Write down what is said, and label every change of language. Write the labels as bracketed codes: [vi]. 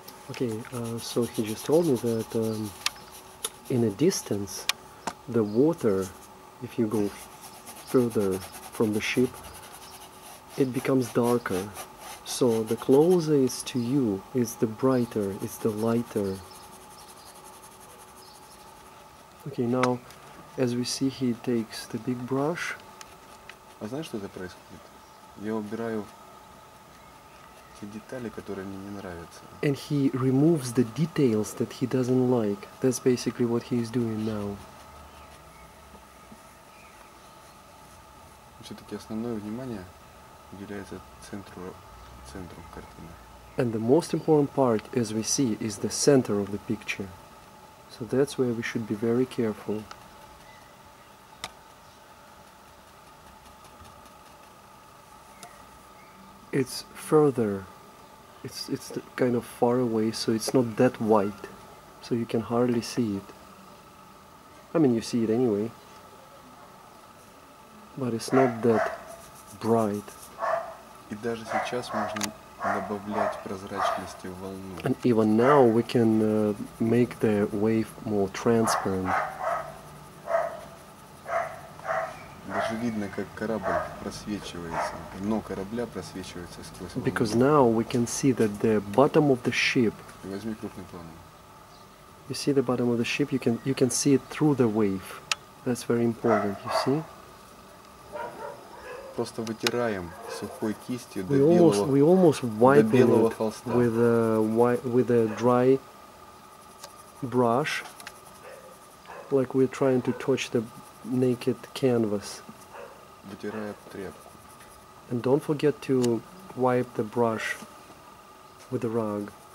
[en] Okay, so he just told me that in a distance, the water, if you go further from the ship, it becomes darker. So the closer it's to you, it's the brighter, it's the lighter. Okay, now, as we see, he takes the big brush. [ru] А знаешь, что это происходит? Я убираю детали, которые мне не нравятся. [en] And he removes the details that he doesn't like. That's basically what he is doing now. [ru] Все-таки основное внимание уделяется центру картины. [en] And the most important part, as we see, is the center of the picture. So that's where we should be very careful. It's further. It's kind of far away, so it's not that white, so you can hardly see it. I mean, you see it anyway. But it's not that bright. [ru] И даже сейчас можно добавлять прозрачности в волну. [en] And even now we can make the wave more transparent. [ru] Даже видно, как корабль просвечивается, дно корабля просвечивается сквозь волну. [en] Because now we can see that the bottom of the ship. [ru] Возьми крупный план. [en] You see the bottom of the ship, you can see it through the wave. That's very important, you see? [ru] Просто вытираем сухой кистью до белого. [en] We almost wipe it with a dry brush, like we're trying to touch the naked canvas. [ru] Вытирая тряпку. [en] And don't forget to wipe the brush with the rug.